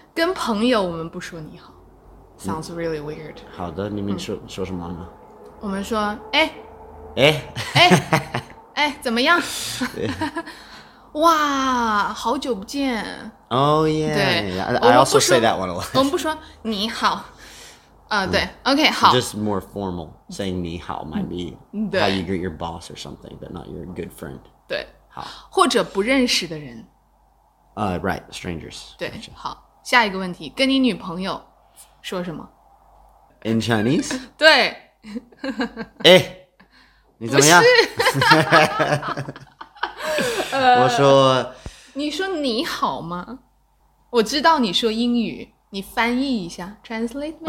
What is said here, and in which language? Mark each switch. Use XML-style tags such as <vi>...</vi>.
<zh>跟朋友我们不说你好。</zh> <en>Sounds really weird.</en> <zh>好的，你们说什么呢？我们说，哎。哎哎哎，怎么样？哇，好久不见！</zh> <en>Oh yeah, I also say that one a lot.</en> <zh>我们不说你好啊，对 ，OK， 好。</zh> <en>Just more formal saying 你好 might be how you greet your boss or something, but not your good friend.</en> <zh>对，好，或者不认识的人。</zh> <en>Right, strangers.</en> <zh>对，好，下一个问题，跟你女朋友说什么？</zh> <en>In Chinese?</en> <zh>对。哎。你怎么样？我说，你说你好吗？我知道你说英语，你翻译一下 ，</zh> <en>translate me。</en>